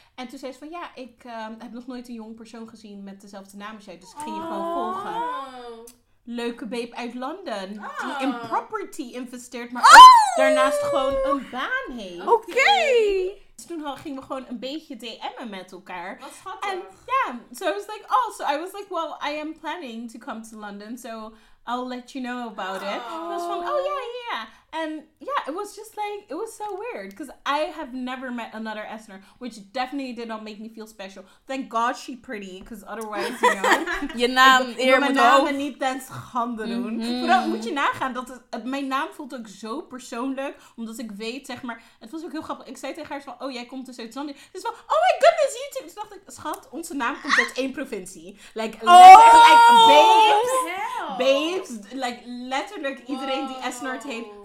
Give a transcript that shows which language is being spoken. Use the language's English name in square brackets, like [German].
[Dutch] En toen zei ze van, ja, ik heb nog nooit een jong persoon gezien met dezelfde naam als jij. Dus ik ging je gewoon volgen. Leuke babe uit Londen. Oh. Die in property investeert, maar ook daarnaast gewoon een baan heeft. Oké. Okay. Dus toen gingen we gewoon een beetje DM'en met elkaar. Wat schattig. En ja, [English] so I was like, oh, so I was like, well, I am planning to come to London, so I'll let you know about it. [Dutch] En was van, [English] oh yeah, yeah. And yeah, it was just like, it was so weird, because I have never met another Esner, which definitely did not make me feel special. Thank God she's pretty, because otherwise, you know. [Dutch] Je naam, eer mijn naam en niet ten schande doen. Maar dan moet je nagaan, dat het, mijn naam voelt ook zo persoonlijk, omdat ik weet, zeg maar, het was ook heel grappig. Ik zei tegen haar, van, oh, jij komt dus uit Zandje. Ze is van, [English] oh my goodness, you too. [Dutch] Dus dacht ik, schat, onze naam komt uit één provincie. [English] Like, babes. Babes, like, [Dutch] letterlijk iedereen die Esner heet.